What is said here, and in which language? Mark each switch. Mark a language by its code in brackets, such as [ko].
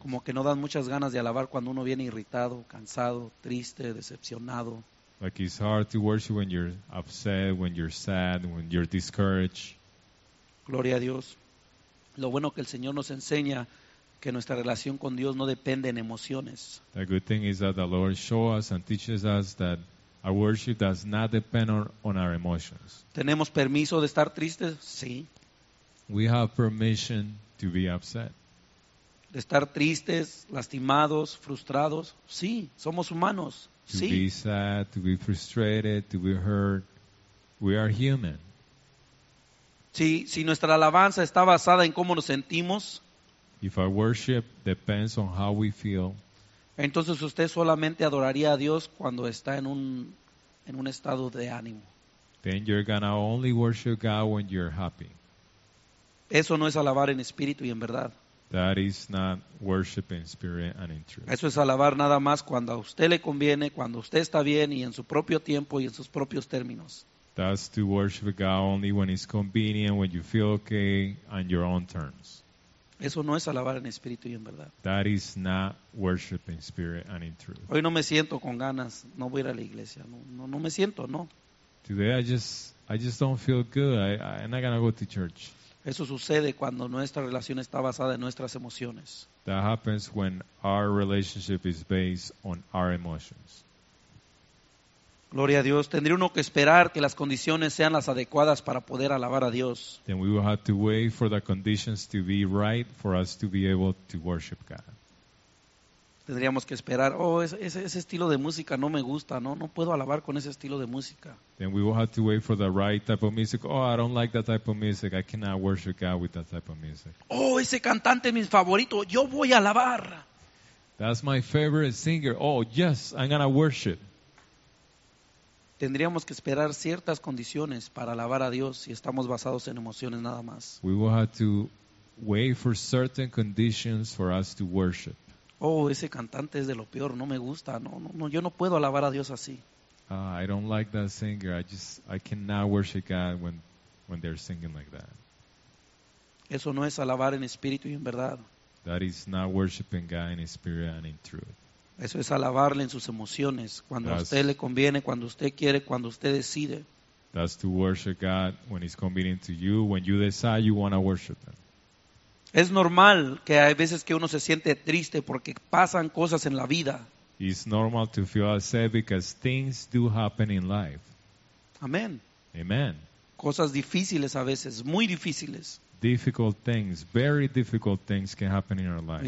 [es] Como que no dan muchas ganas de alabar cuando uno viene irritado, cansado, triste, decepcionado. [en] Like it's hard to worship when you're upset, when you're sad, when you're discouraged. [es] Gloria a Dios. Lo bueno que el Señor nos enseña que nuestra relación con Dios no depende en emociones. [en] The good thing is that the Lord shows us and teaches us that our worship does not depend on our emotions. [es] ¿Tenemos permiso de estar tristes? Sí. [en] We have permission to be upset. [es] De estar tristes, lastimados, frustrados. Sí, somos humanos. Sí. [en] To be sad, to be frustrated, to be hurt. We are human. [es] Si nuestra alabanza está basada en cómo nos sentimos, [en] if our worship depends on how we feel, [es] entonces usted solamente adoraría a Dios cuando está en un estado de ánimo. [en] Then you're gonna only worship God when you're happy. [es] Eso no es alabar en espíritu y en verdad. [en] That is not worship in spirit and in truth. [es] Eso es alabar nada más cuando a usted le conviene, cuando usted está bien y en su propio tiempo y en sus propios términos. [en] That's to worship God only when it's convenient, when you feel okay, on your own terms. [es] Eso no es alabar en espíritu y en verdad. [en] That is not worship in spirit and in truth. [es] Hoy no me siento con ganas, no voy a ir a la iglesia, no me siento, no. [en] Today I just don't feel good. I'm not gonna go to church. [es] Eso sucede cuando nuestra relación está basada en nuestras emociones. [en] That happens when our relationship is based on our emotions. [es] Gloria a Dios. Tendría uno que esperar que las condiciones sean las adecuadas para poder alabar a Dios. [en] Then we will have to wait for the conditions to be right for us to be able to worship God. [es] Tendríamos que esperar, ese estilo de música no me gusta, no puedo alabar con ese estilo de música. [en] Then we will have to wait for the right type of music. Oh, I don't like that type of music. I cannot worship God with that type of music. [es] Oh, ese cantante es mi favorito. Yo voy a alabar. [en] That's my favorite singer. Oh, yes, I'm gonna worship. [es] Tendríamos que esperar ciertas condiciones para alabar a Dios si estamos basados en emociones nada más. [en] We will have to wait for certain conditions for us to worship. [es] Oh, ese cantante es de lo peor, no me gusta. No, yo no puedo alabar a Dios así. [en] I don't like that singer. I cannot worship God when they're singing like that. [es] Eso no es alabar en espíritu y en verdad. [en] That is not worshiping God in spirit and in truth. [es] Eso es alabarle en sus emociones, cuando a usted le conviene, cuando usted quiere, cuando usted decide. [en] That's to worship God when it's convenient to you, when you decide you want to worship Him. [es] Es normal que hay veces que uno se siente triste porque pasan cosas en la vida. [en] It's normal to feel upset because things do happen in life. Amen. Amen. [es] Cosas difíciles a veces, muy difíciles. [en] Difficult things, very difficult things can happen in our lives.